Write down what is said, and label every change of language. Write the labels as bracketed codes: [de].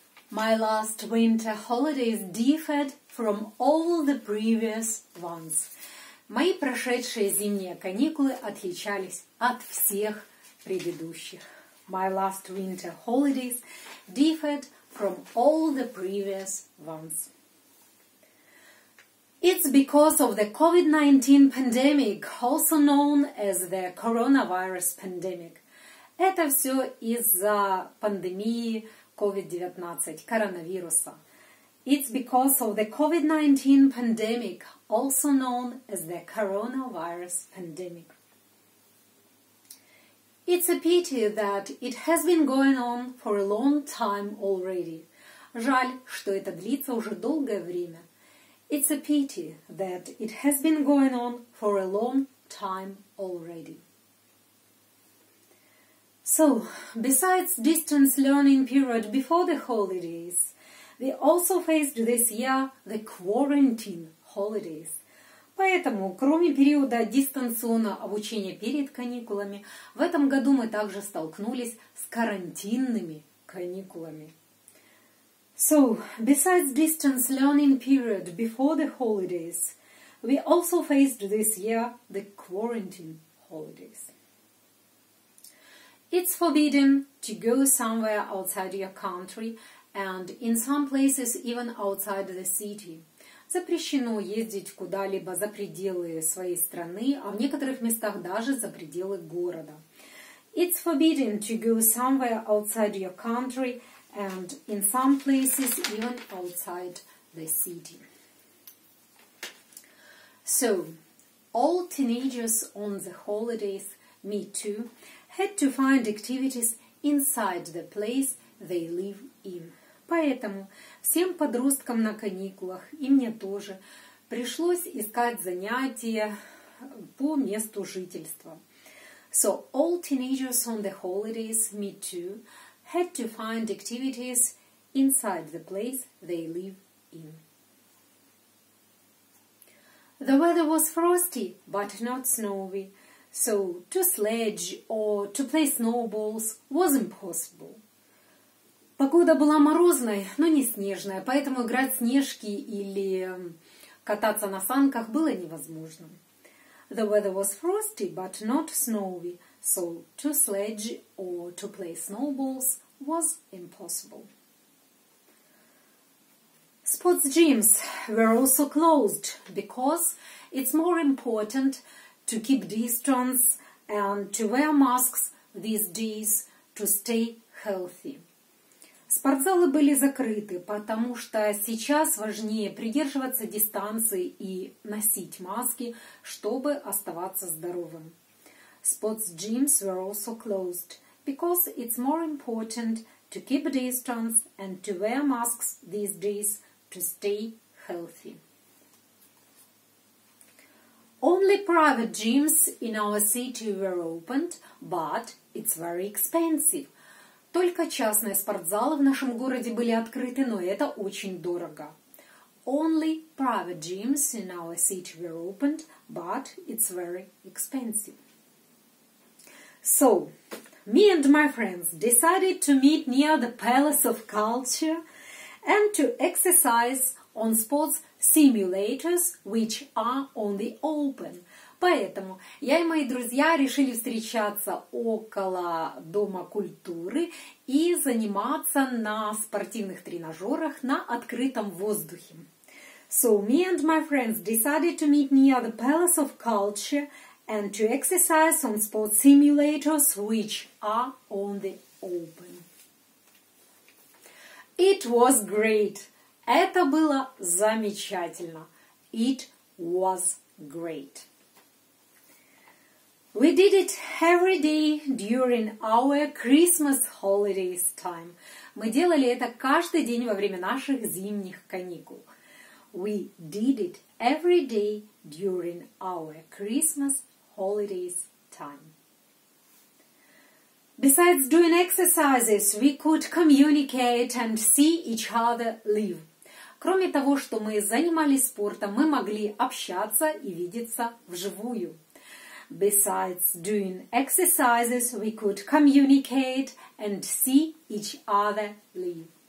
[en] My last winter holidays differed from all the previous ones. [ru] Мои прошедшие зимние каникулы отличались от всех предыдущих. [en] My last winter holidays differed from all the previous ones. It's because of the COVID-19 pandemic, also known as the coronavirus pandemic. [ru] Это все из-за пандемии COVID-19, коронавируса. [en] It's because of the COVID-19 pandemic, also known as the coronavirus pandemic. It's a pity that it has been going on for a long time already. [ru] Жаль, что это длится уже долгое время. [en] It's a pity that it has been going on for a long time already. So, besides distance learning period before the holidays, we also faced this year the quarantine holidays. [ru] Поэтому, кроме периода дистанционного обучения перед каникулами, в этом году мы также столкнулись с карантинными каникулами. [en] So, besides distance learning period before the holidays, we also faced this year the quarantine holidays. It's forbidden to go somewhere outside your country and in some places even outside the city. [ru] Запрещено ездить куда-либо за пределы своей страны, а в некоторых местах даже за пределы города. [en] It's forbidden to go somewhere outside your country and in some places even outside the city. So, all teenagers on the holidays, me too, had to find activities inside the place they live in. [ru] Поэтому всем подросткам на каникулах и мне тоже пришлось искать занятия по месту жительства. [en] So all teenagers on the holidays, me too, had to find activities inside the place they live in. The weather was frosty, but not snowy, so to sledge or to play snowballs was impossible. [ru] Погода была морозной, но не снежная, поэтому играть в снежки или кататься на санках было невозможно. [en] The weather was frosty, but not snowy, so to sledge or to play snowballs was impossible. Sports gyms were also closed because it's more important to keep distance and to wear masks these days to stay healthy. [ru] Спортзалы были закрыты, потому что сейчас важнее придерживаться дистанции и носить маски, чтобы оставаться здоровым. [en] Sports gyms were also closed because it's more important to keep distance and to wear masks these days to stay healthy. Only private gyms in our city were opened, but it's very expensive. [ru] Только частные спортзалы в нашем городе были открыты, но это очень дорого. [en] Only private gyms in our city were opened, but it's very expensive. So, me and my friends decided to meet near the Palace of Culture and to exercise on sports simulators, which are on the open. [ru] Поэтому я и мои друзья решили встречаться около Дома культуры и заниматься на спортивных тренажерах на открытом воздухе. [en] So me and my friends decided to meet near the Palace of Culture and to exercise on sports simulators, which are on the open. It was great. [ru] Это было замечательно. [en] It was great. We did it every day during our Christmas holidays time. [ru] Мы делали это каждый день во время наших зимних каникул. [en] We did it every day during our Christmas holidays time. Besides doing exercises, we could communicate and see each other live. [ru] Кроме того, что мы занимались спортом, мы могли общаться и видеться вживую. [en] Besides doing exercises, we could communicate and see each other live.